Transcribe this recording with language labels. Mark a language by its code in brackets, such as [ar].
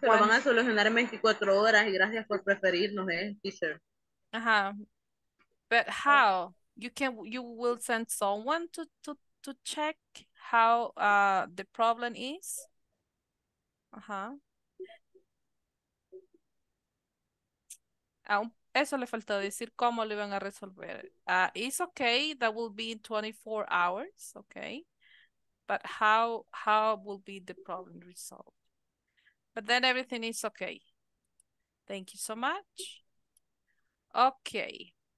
[es] Se van a solucionar en 24 horas y gracias por preferirnos, teacher. [en] Ajá. But how? You will send someone to check how the problem is? Ajá. [es] Eso le faltó decir cómo lo iban a resolver. [en] It's okay, that will be in 24 hours, okay? But how will be the problem resolved? But then everything is okay. Thank you so much. Okay.